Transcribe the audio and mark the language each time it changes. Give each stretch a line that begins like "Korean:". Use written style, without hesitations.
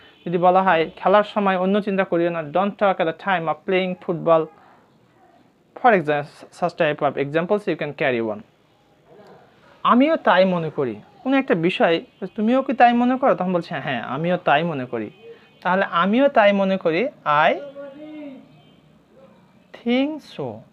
Bangla: যদি বলা হয় খেলার সময় অন্য চিন্তা করিও না
English: Don't talk at the time of playing football. For example, such type of examples you can carry on.
Bangla: আমিও তাই মনে করি কোন একটা বিষয় তুমিও কি তাই মনে করো তখন বলছে হ্যাঁ আমিও তাই মনে করি তাহলে আমিও তাই মনে করি
English: I think so.